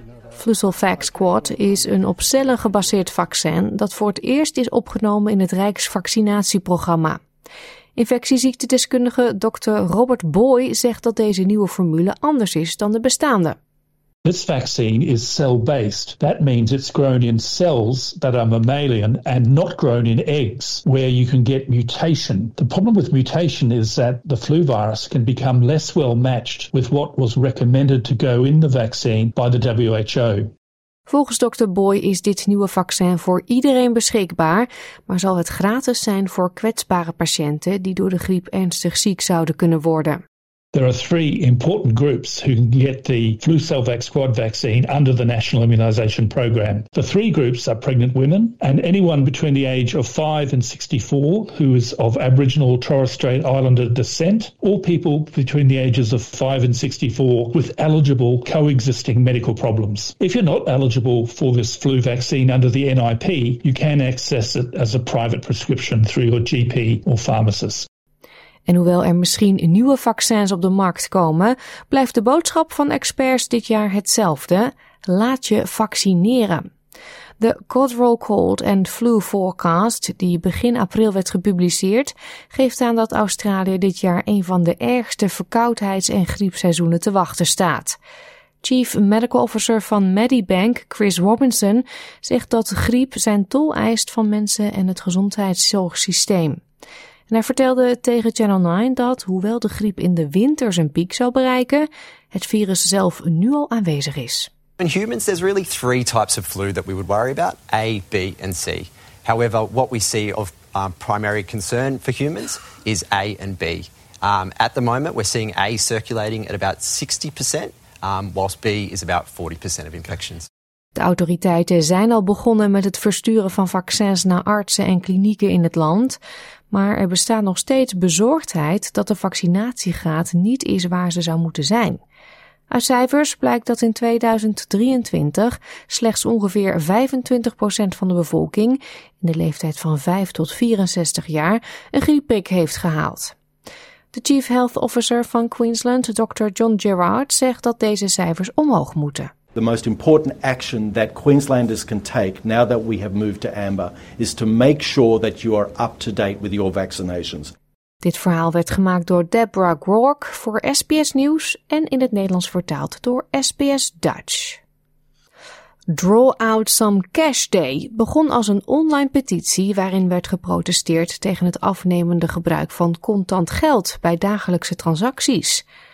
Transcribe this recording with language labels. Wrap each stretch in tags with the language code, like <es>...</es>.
<nl>Flucelvax Squad is een op cellen gebaseerd vaccin dat voor het eerst is opgenomen in het Rijksvaccinatieprogramma. Infectieziektedeskundige Dr. Robert Boy zegt dat deze nieuwe formule anders is dan de bestaande.</nl> <en>This vaccine is cell-based. That means it's grown in cells that are mammalian and not grown in eggs, where you can get mutation. The problem with mutation is that the flu virus can become less well matched with what was recommended to go in the vaccine by the WHO.</en> <nl>Volgens Dr. Boy is dit nieuwe vaccin voor iedereen beschikbaar, maar zal het gratis zijn voor kwetsbare patiënten die door de griep ernstig ziek zouden kunnen worden.</nl> <en>There are three important groups who can get the Flucelvax Squad vaccine under the National Immunisation Program. The three groups are pregnant women and anyone between the age of 5 and 64 who is of Aboriginal or Torres Strait Islander descent, or people between the ages of 5 and 64 with eligible coexisting medical problems. If you're not eligible for this flu vaccine under the NIP, you can access it as a private prescription through your GP or pharmacist.</en> <nl>En hoewel er misschien nieuwe vaccins op de markt komen, blijft de boodschap van experts dit jaar hetzelfde. Laat je vaccineren. De Cotterill Cold and Flu Forecast, die begin april werd gepubliceerd, geeft aan dat Australië dit jaar een van de ergste verkoudheids- en griepseizoenen te wachten staat. Chief Medical Officer van Medibank, Chris Robinson, zegt dat griep zijn tol eist van mensen en het gezondheidszorgsysteem. En hij vertelde tegen Channel 9 dat, hoewel de griep in de winter zijn piek zou bereiken, het virus zelf nu al aanwezig is.</nl> <en>In humans there's really three types of flu that we would worry about: A, B and C. However, what we see of primary concern for humans is A and B. At the moment we're seeing A circulating at about 60% whilst B is about 40% of infections.</en> <nl>De autoriteiten zijn al begonnen met het versturen van vaccins naar artsen en klinieken in het land. Maar er bestaat nog steeds bezorgdheid dat de vaccinatiegraad niet is waar ze zou moeten zijn. Uit cijfers blijkt dat in 2023 slechts ongeveer 25% van de bevolking in de leeftijd van 5 tot 64 jaar een griepprik heeft gehaald. De Chief Health Officer van Queensland, Dr. John Gerard, zegt dat deze cijfers omhoog moeten.</nl> <en>The most important action that Queenslanders can take now that we have moved to amber is to make sure that you are up to date with your vaccinations.</en> <nl>Dit verhaal werd gemaakt door Deborah Grok voor SBS Nieuws en in het Nederlands vertaald door SBS Dutch. Draw Out Some Cash Day begon als een online petitie waarin werd geprotesteerd tegen het afnemende gebruik van contant geld bij dagelijkse transacties.</nl>